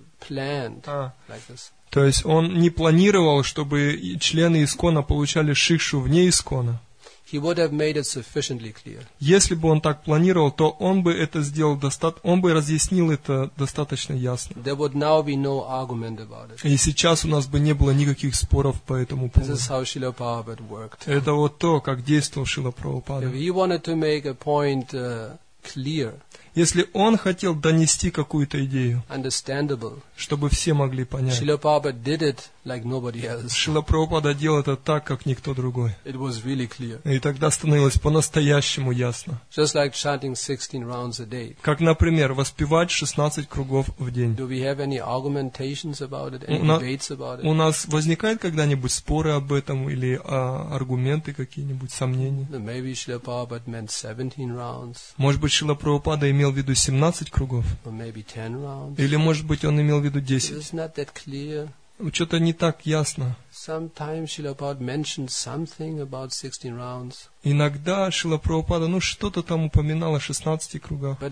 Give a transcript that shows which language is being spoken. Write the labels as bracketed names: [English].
[Russian] То есть он не планировал, чтобы члены Искона получали шикшу вне Искона. [English] He would have made it sufficiently clear. [Russian] Если бы он так планировал, то он бы это сделал он бы разъяснил это достаточно ясно. [English] There would now be no argument about it. [Russian] И сейчас у нас бы не было никаких споров по этому поводу. [English] This is how Srila Prabhupada worked. [Russian] Это вот то, как действовал Шрила Прабхупада. [English] If he wanted to make a point, clear. [Russian] Если он хотел донести какую-то идею, [English] understandable, [Russian] чтобы все могли понять, [English] Шрила Прабхупада did it like nobody else. [Russian] Шрила Прабхупада делал это так, как никто другой. [English] It was really clear. [Russian] И тогда становилось по-настоящему ясно. [English] Just like chanting 16 rounds a day. [Russian] Как, например, воспевать 16 кругов в день. [English] Do we have any argumentations about it, any debates about it? [Russian] У нас возникают когда-нибудь споры об этом или аргументы какие-нибудь, сомнения? [English] No, maybe Шрила Прабхупада meant 17 rounds. [Russian] Может быть, Шрила Прабхупада имел в виду 17 кругов? Или, может быть, он имел в виду 10? Что-то не так ясно. Иногда Шрила Прабхупада, ну, что-то там упоминал о 16 кругах.